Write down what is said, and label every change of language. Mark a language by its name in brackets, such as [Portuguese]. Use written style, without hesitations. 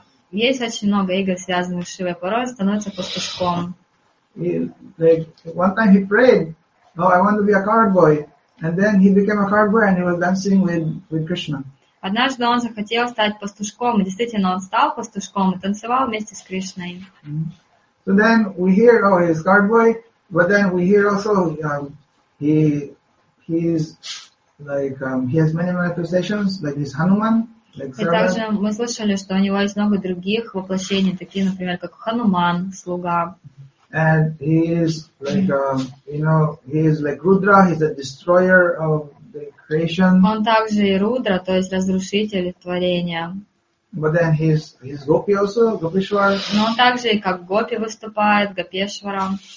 [Russian] Есть очень много игр, связанных с Шивой. Порой становится пастушком. [English] Like, one time he prayed, oh, I want to be a coward boy. And then he became a coward boy and he was dancing with Krishna. [Russian] Однажды он захотел стать пастушком. И действительно, он стал пастушком и танцевал вместе с Кришной. Mm-hmm. [English] So then we hear, oh, he's a guard boy, but then we hear also he has many manifestations, like he's Hanuman, like Sarva. [Russian] И также мы слышали, что у него есть много других воплощений, такие, например, как Хануман, слуга. [English] And he is like you know, he is like Rudra, he's a destroyer of the creation. [Russian] Он также и Рудра, то есть разрушитель творения. [English] But then he's Gopi also, Gopishwar. [Russian] Но он также и как Гопи выступает, Гопешвара.